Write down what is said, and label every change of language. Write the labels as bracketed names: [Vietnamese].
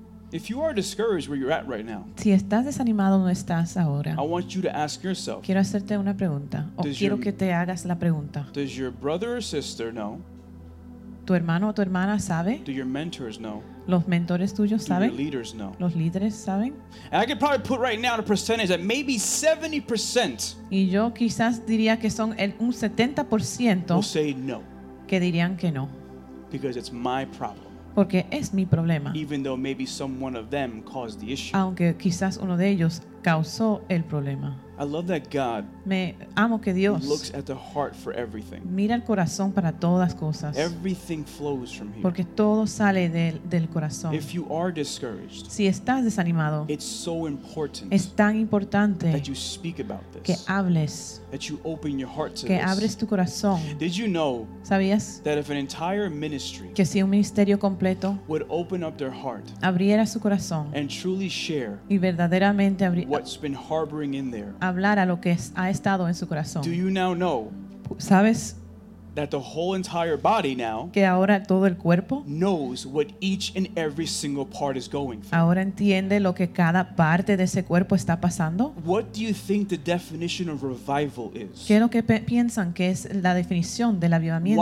[English] If you are discouraged where you're at right now, [Spanish] si estás desanimado donde estás ahora, [English] I want you to ask yourself, [Spanish] quiero hacerte una pregunta, o quiero que te hagas la pregunta. [English] Does your brother or sister know? [Spanish] ¿Tu hermano o tu hermana sabe? [English] Do your mentors know? [Spanish] ¿Los mentores tuyos saben? [English] Do your leaders know? [Spanish] ¿Los líderes saben? [English] And I could probably put right now a percentage that maybe 70%, [Spanish] y yo quizás diría que son un 70%, [English] will say no, [Spanish] que dirían que no, [English] because it's my problem, [Spanish] porque es mi problema, [English] even though maybe someone of them caused the issue, [Spanish] aunque quizás uno de ellos causó el problema. [English] I love that God, [Spanish] me amo que Dios [English] looks at the heart for everything, [Spanish] mira el corazón para todas cosas, [English] everything flows from here, [Spanish] porque todo sale del corazón. [English] If you are discouraged, [Spanish] si estás desanimado, [English] it's so important, [Spanish] es tan importante [English] that you speak about this, [Spanish] que hables, [English] that you open your heart to [Spanish] que [English] this, [Spanish] abres tu corazón. [English] Did you know, [Spanish] sabías, [English] that if an entire ministry, [Spanish] que si un ministerio completo [English] would open up their heart, [Spanish] abriera su corazón, [English] and truly share, [Spanish] y verdaderamente [English] what's been harboring in there, [Spanish] hablar a lo que ha estado en su corazón. [English] Do you now know, [Spanish] sabes, [English] that the whole entire body now, [Spanish] que ahora todo el cuerpo, [English] knows what each and every single part is going through, [Spanish] ahora entiende lo que cada parte de ese cuerpo está pasando. [English] What do you think the definition of revival is? [Spanish] ¿Qué es lo que piensan que es la definición del avivamiento?